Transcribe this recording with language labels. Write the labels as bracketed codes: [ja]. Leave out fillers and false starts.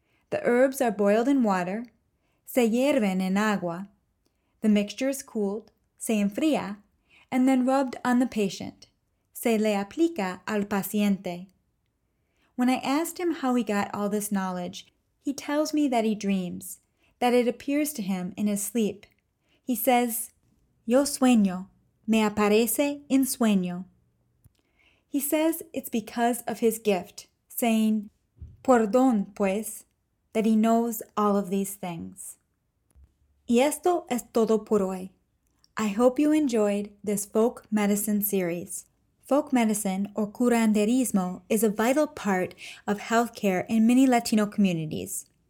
[en] The herbs are boiled in water, [es] se hierven en agua, [en] the mixture is cooled, [es] se enfría, [en] and then rubbed on the patient. [es] Se le aplica al paciente. [en] When I asked him how he got all this knowledge, he tells me that he dreams, that it appears to him in his sleep. He says, [es] Yo sueño, me aparece en sueño. [en] He says it's because of his gift, saying, [es] Por don, pues, [en] that he knows all of these things. [es] Y esto es todo por hoy. [en] I hope you enjoyed this folk medicine series. Folk medicine or curanderismo is a vital part of healthcare in many Latino communities.